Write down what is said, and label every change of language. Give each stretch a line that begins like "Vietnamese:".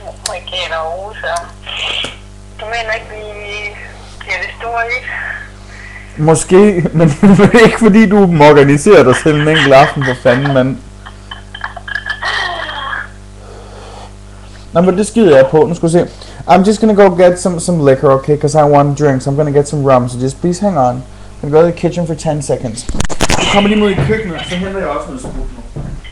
Danish: Amerikanere og russere. Du mener ikke, vi bliver det store, ikke? Måske, men ikke fordi du organiserer dig selv en enkelt aften, for fanden, mand. Nå, men det skider jeg på, nu skal vi se.
English: I'm just gonna go get some liquor, okay, because I want drinks. I'm gonna get some rum, so just please hang on. I'm gonna go to the kitchen for 10 seconds.
Danish: Du kommer lige mod i køkkenet, så henter jeg også noget sprut nu.